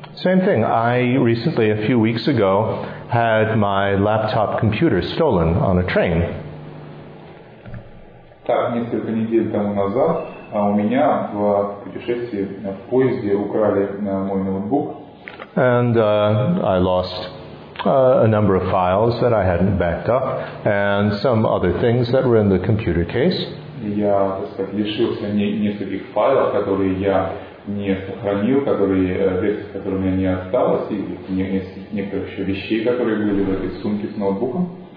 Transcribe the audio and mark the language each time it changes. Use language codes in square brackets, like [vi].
[en] Same thing. I recently, a few weeks ago, had my laptop computer stolen on a train. [ru] Так, несколько недель тому назад у меня в путешествии в поезде украли мой ноутбук. [en] And I lost a number of files that I hadn't backed up and some other things that were in the computer case. [ru] Я, так сказать, лишился нескольких файлов, которые я не сохранил, вещи, которые у меня не осталось, и некоторых еще вещей, которые были в этой сумке с ноутбуком.